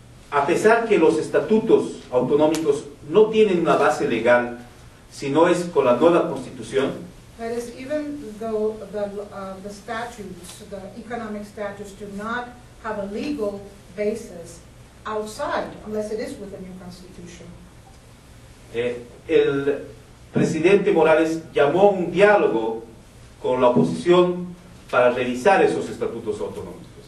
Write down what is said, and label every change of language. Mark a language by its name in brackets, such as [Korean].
[Spanish] A pesar que los estatutos autonómicos no tienen una base legal, sino es con la nueva constitución. [English] That is, even though the statutes, the economic statutes, do not have a legal basis outside, unless it is with a new constitution. [Spanish] El presidente Morales llamó un diálogo con la oposición para revisar esos estatutos autonómicos.